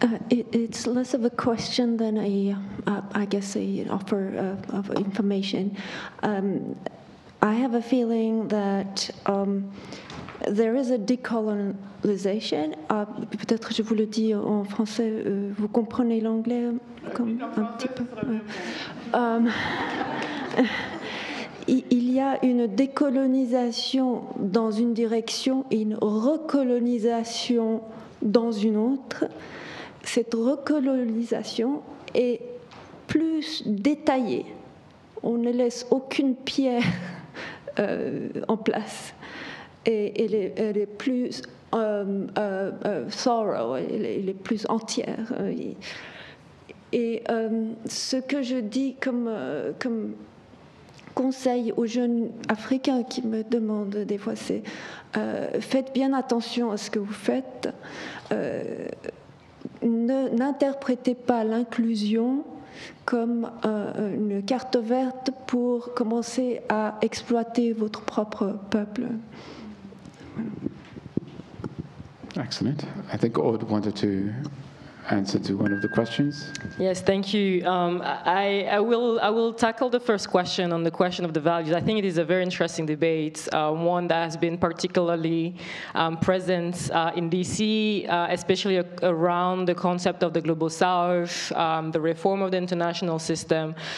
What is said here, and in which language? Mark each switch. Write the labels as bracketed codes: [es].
[en] It's less of a question than an offer of information. I have a feeling that there is a decolonization. [fr] Peut-être je vous le dis en français. Vous comprenez l'anglais comme un petit peu. Il y a une décolonisation dans une direction et une recolonisation dans une autre. Cette recolonisation est plus détaillée. On ne laisse aucune pierre en place. Et elle est plus thorough, elle est plus entière. Et ce que je dis comme conseil aux jeunes Africains qui me demandent des fois, c'est faites bien attention à ce que vous faites. N'interprétez pas l'inclusion comme une carte verte pour commencer à exploiter votre propre peuple. Excellent. [en] I think Aude wanted to answer to one of the questions. Yes, thank you. I will tackle the first question on the question of the values. I think it is a very interesting debate, one that has been particularly present in DC, especially around the concept of the Global South, the reform of the international system.